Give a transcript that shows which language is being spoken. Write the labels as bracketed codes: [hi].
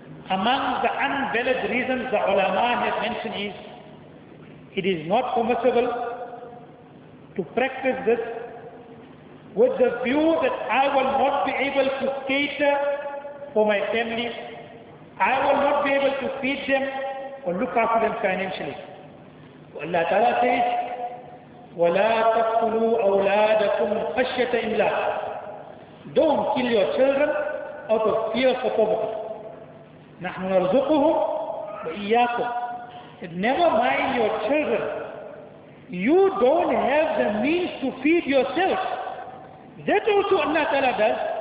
[en] Among the invalid reasons the ulama has mentioned is, it is not permissible to practice this with the view that I will not be able to cater for my family, I will not be able to feed them or look after them financially. Allah Ta'ala says, [ar] وَلَا تَقْتُلُوا أَوْلَادَكُمْ خَشْيَةَ إِمْلَاكُ. [en] Don't kill your children out of fear for poverty. [ar] نَحْنُ نَرْزُقُهُمْ وَإِيَّاكُمْ. [en] Never mind your children. You don't have the means to feed yourself. That also Allah Ta'ala does.